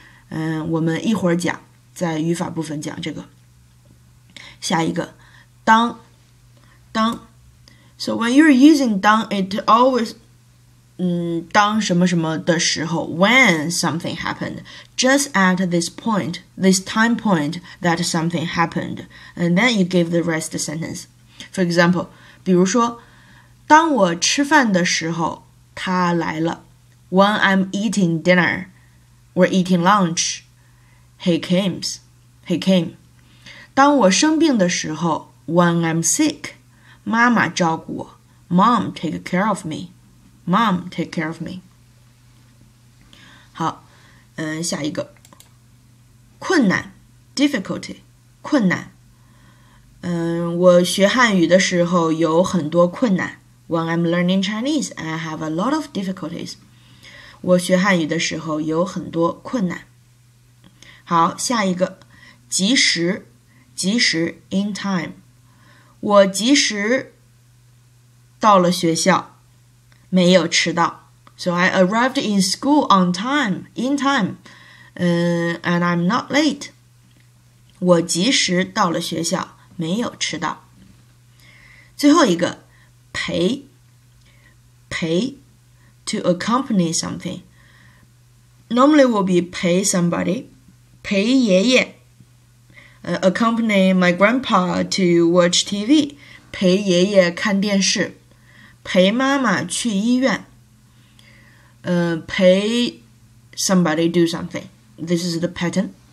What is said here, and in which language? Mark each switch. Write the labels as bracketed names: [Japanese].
[Chinese] 我们一会儿讲，在语法部分讲这个。下一个，当。 [English] So when you're using 当, it always, [Chinese] 当什么什么的时候 [English] when something happened, just at this point, this time point that something happened, and then you give the rest of the sentence. For example, [Chinese] 比如说，当我吃饭的时候，他来了。 [English] When I'm eating dinner, we're eating lunch, he came. [Chinese] 当我生病的时候 , [English] when I'm sick, [Chinese] 妈妈照顾我。 [English] Mom, take care of me. [Chinese] 好，下一个。困难 , [English] difficulty, [Chinese] 困难。我学汉语的时候有很多困难。 [English] When I'm learning Chinese, I have a lot of difficulties. [Chinese] 我学汉语的时候有很多困难。好，下一个，及时 [English] in time. [Chinese] 我及时到了学校，没有迟到。 [English] So I arrived in school on time, in time, and I'm not late. [Chinese] 我及时到了学校，没有迟到。最后一个，陪 [English] to accompany something. Normally will be pay somebody, [Chinese] 陪爷爷 [English] accompany my grandpa to watch TV, [Chinese] 陪爷爷看电视，陪妈妈去医院，陪 [English] somebody do something. This is the pattern.